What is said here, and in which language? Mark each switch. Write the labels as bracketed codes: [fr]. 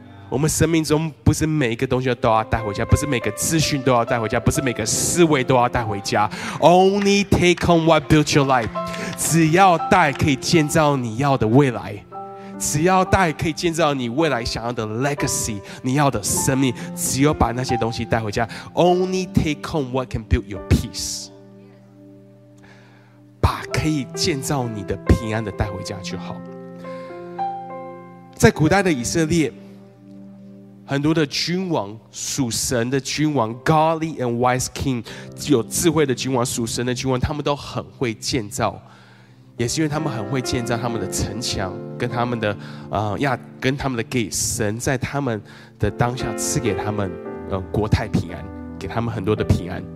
[zh] 我们生命中不是每一个东西都要带回家，不是每个资讯都要带回家，不是每个思维都要带回家。 [en] Only take home what built your life. [zh] 只要带可以建造你要的未来，只要带可以建造你未来想要的 legacy, 你要的生命，只有把那些东西带回家。 [en] Only take home what can build your peace. [zh] 把可以建造你的平安的带回家就好。在古代的以色列，很多的君王，属神的君王 [en] Godly and wise king, [zh] 有智慧的君王，属神的君王，他们都很会建造，也是因为他们很会建造他们的城墙跟他们的跟他们的 gate, 神在他们的当下赐给他们国泰平安，给他们很多的平安。